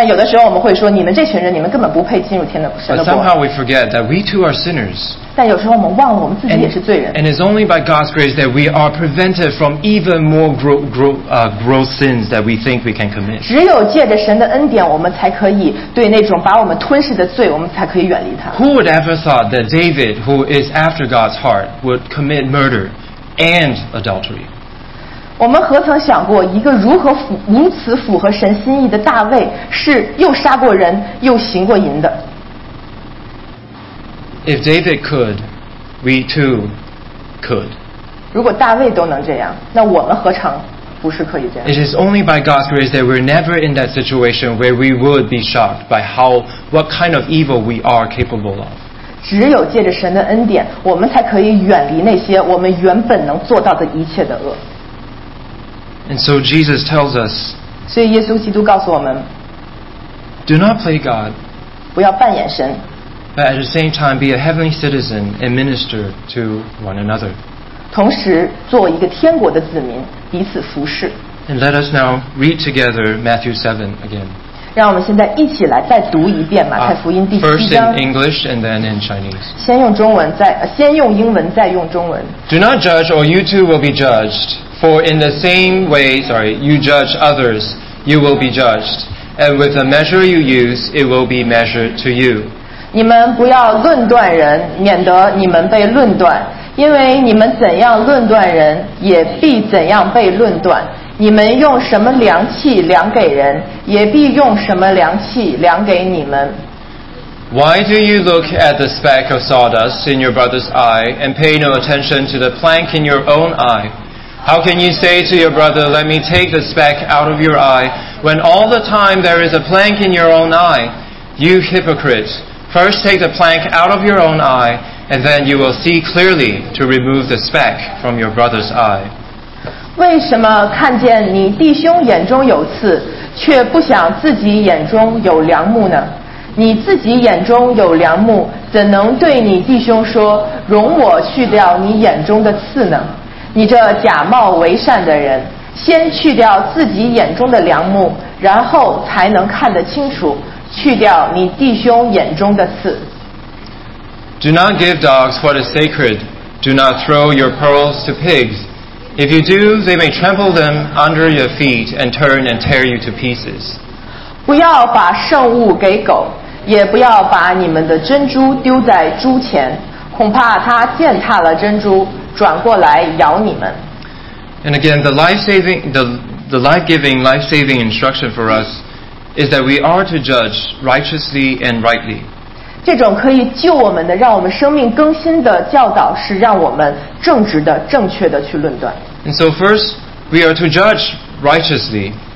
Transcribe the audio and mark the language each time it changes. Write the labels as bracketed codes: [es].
[zh] 但有的时候我们会说，你们这群人，你们根本不配进入天的神的国。 [en] But somehow we forget that we too are sinners. [zh] 但有时候我们忘了我们自己也是罪人。 [en] And it's only by God's grace that we are prevented from even more gross sins that we think we can commit. [zh] 只有借着神的恩典，我们才可以对那种把我们吞噬的罪，我们才可以远离它。 [en] Who would ever thought that David, who is after God's heart, would commit murder and adultery? [zh] 我们何曾想过一个如此符合神心意的大卫是又杀过人又行过淫的。 [en] If David could, we too could. [zh] 如果大卫都能这样，那我们何尝不是可以这样。 [en] It is only by God's grace that we're never in that situation where we would be shocked by what kind of evil we are capable of. [zh] 只有借着神的恩典，我们才可以远离那些我们原本能做到的一切的恶。 [en] And so Jesus tells us, [zh] 所以耶稣基督告诉我们， [en] Do not play God, [zh] 不要扮演神， [en] but at the same time be a heavenly citizen and minister to one another. [zh] 同时做一个天国的子民，彼此服侍。 [en] And let us now read together Matthew 7 again. [zh] 让我们现在一起来再读一遍马太福音第七章。 [en] First in English and then in Chinese. [zh] 先用中文，先用英文，再用中文。 [en] Do not judge, or you too will be judged. For in the same way, you judge others, you will be judged. And with the measure you use, it will be measured to you. [zh] 你们不要论断人，免得你们被论断。因为你们怎样论断人，也必怎样被论断。你们用什么量器量给人，也必用什么量器量给你们。 [en] Why do you look at the speck of sawdust in your brother's eye, and pay no attention to the plank in your own eye? How can you say to your brother, let me take the speck out of your eye, when all the time there is a plank in your own eye? You hypocrite, first take the plank out of your own eye, and then you will see clearly to remove the speck from your brother's eye. [zh] 为什么看见你弟兄眼中有刺，却不想自己眼中有梁木呢？你自己眼中有梁木，怎能对你弟兄说，容我去掉你眼中的刺呢？你这假冒为善的人，先去掉自己眼中的梁木，然后才能看得清楚，去掉你弟兄眼中的刺。 [en] Do not give dogs what is sacred. Do not throw your pearls to pigs. If you do, they may trample them under your feet and turn and tear you to pieces. [zh] 不要把圣物给狗，也不要把你们的珍珠丢在猪前，恐怕它践踏了珍珠，转过来咬你们。 [en] And again, the life-giving, life-saving instruction for us is that we are to judge righteously and rightly. [zh] 这种可以救我们的，让我们生命更新的教导，是让我们正直的、正确的去论断。 [en] And so first, we are to judge righteously.